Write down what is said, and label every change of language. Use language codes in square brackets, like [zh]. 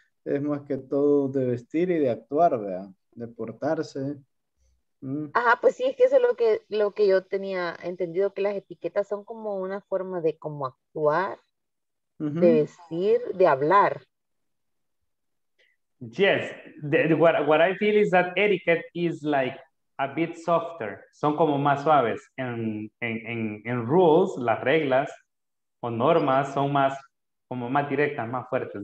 [es] Es más que todo de vestir y de actuar, ¿verdad? De portarse. Ajá, pues sí, es que eso es lo que yo tenía entendido, que las etiquetas son como una forma de cómo actuar, uh-huh. De vestir, de hablar. [en] Yes, what I feel is that etiquette is like a bit softer. [es] Son como más suaves en rules, las reglas. O normas son más, como más directas, más fuertes.